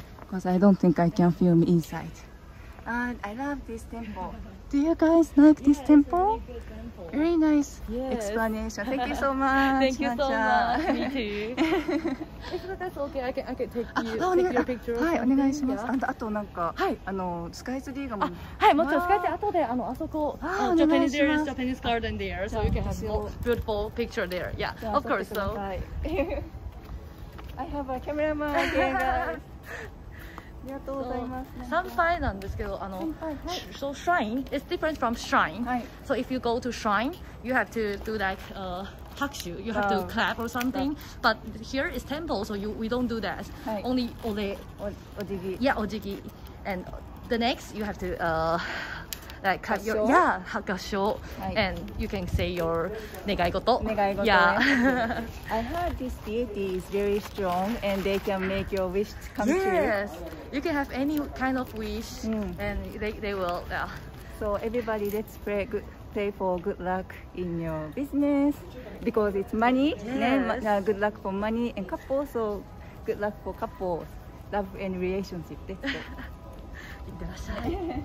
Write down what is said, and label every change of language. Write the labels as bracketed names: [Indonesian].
[English] Because I don't think I can film inside. And I love this temple. Do you guys like this temple? Yes, temple. Very nice explanation. Thank you so much. Thank you so much. Me too. If that's okay, I can take your picture. [Japanese] はい、お願いします。あと、あとなんか、はい、あの、スカイツリーがも。はい、もちろんスカイツリー後で、あの、あそこ、 [English] Japanese Japanese garden there, so you can have a beautiful picture there. Yeah, of course. So. I have a cameraman again, guys. [Japanese] ありがとうございます。参拝なんですけど、あの、 [English] so shrine is different from shrine. So if you go to shrine, you have to do like hakushu, you have to clap or something. But here is temple, so we don't do that. Only ole, ojigi. Yeah, ojigi. And the next, you have to like cut your yeah hakusho, and you can say your negaigoto. Negaigoto. Yeah. I heard this deity is very strong, and they can make your wish come true. Yes. You can have any kind of wish, and they will, yeah. So everybody, let's pray for good luck in your business, because it's money. Yes. Good luck for money and couple, so good luck for couples, love and relationship. That's it. [Japanese] いってらっしゃい。